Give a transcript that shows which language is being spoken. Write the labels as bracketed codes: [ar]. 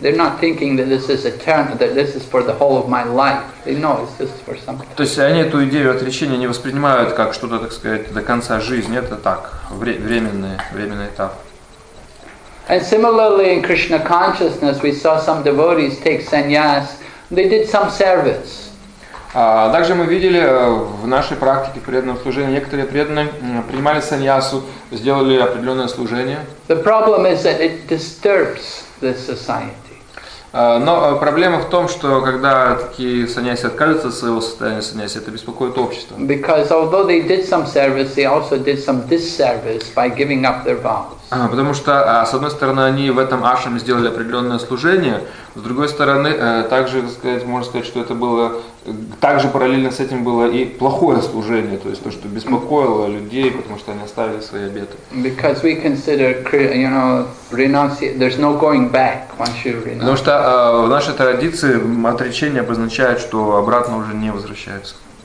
[en] They're not thinking that this is eternal, that this is for the whole of my life. They know it's just for something. [ru] То есть они эту идею отречения не воспринимают как что-то, так сказать, до конца жизни. Это так, временный этап. [en] And similarly, in Krishna consciousness, we saw some devotees take sannyas. They did some service. [ru] Также мы видели в нашей практике преданного служения, некоторые преданные принимали саньясу, сделали определенное служение. [en] The problem is that it disturbs the society. [ru] Но проблема в том, что когда такие саньяси отказываются от своего состояния саньяси, это беспокоит общество. [en] Because although they did some service, they also did some disservice by giving up their vows. [ru] Потому что, с одной стороны, они в этом ашраме сделали определенное служение, с другой стороны, также, так сказать, можно сказать, что это было, также параллельно с этим было и плохое служение, то есть то, что беспокоило людей, потому что они оставили свои обеты. [en] Because we consider, you know, renunciation, there's no going back once you renounce. [ru] Потому что в нашей традиции отречение обозначает, что обратно уже не возвращается.